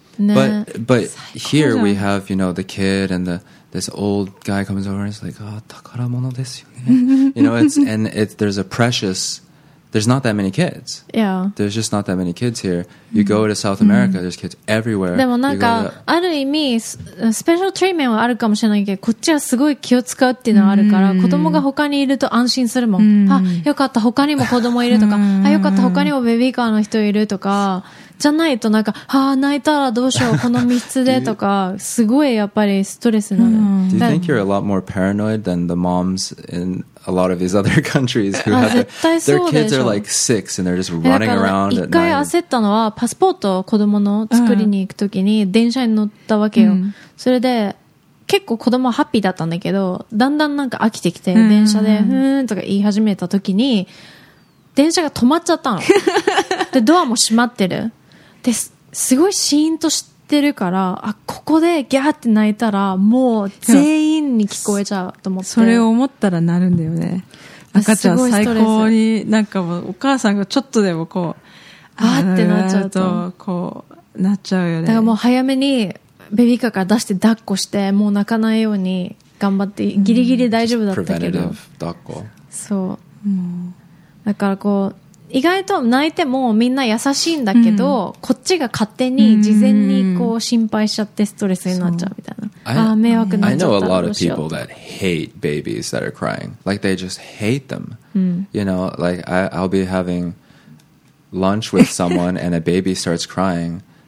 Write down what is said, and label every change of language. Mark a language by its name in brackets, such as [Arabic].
[English] but here we have, you know, the kid and the. This old guy comes over and is like, oh, [Japanese] 宝物ですよね. [English] You know, there's a precious, there's not that many kids. Yeah. There's just not that many kids here. You go to South America, there's kids everywhere. [Japanese] でもなんか、ある意味、スペシャルトリートメントはあるかもしれないけど、こっちはすごい気を使うっていうのはあるから、子供が他にいると安心するもん。あ、よかった、他にも子供いるとか、あ、よかった、他にもベビーカーの人いるとか、じゃないとなんか、あ、泣いたらどうしよう、この3つでとか、すごいやっぱりストレスになる。 [English] Do you think you're a lot more paranoid than the moms in a lot of these other countries who have their kids are like six and they're just running around at night? [Japanese] 一回焦ったのは、パスポート子供の作りに行くときに電車に乗ったわけよ。それで、結構子供はハッピーだったんだけど、だんだんなんか飽きてきて、電車で、ふーんとか言い始めたときに、電車が止まっちゃったの。で、ドアも閉まってる。で、すごいシーンとしてるから、あ、ここでギャーって泣いたら、もう全員に聞こえちゃうと思って。それを思ったらなるんだよね。赤ちゃん最高に、なんかもうお母さんがちょっとでもこう、あーってなっちゃうと、こう、なっちゃうよね。だからもう早めにベビーカーから出して抱っこして、もう泣かないように頑張って、ギリギリ大丈夫だったけど。 [English] preventative 抱っこ。 [Japanese] そう。だからこう、意外と泣いてもみんな優しいんだけど、こっちが勝手に事前にこう心配しちゃってストレスになっちゃうみたいな。ああ、迷惑になっちゃった。 [English] I know a lot of people that hate babies that are crying. Like they just hate them. You know, like I'll be having lunch with someone and a baby starts crying.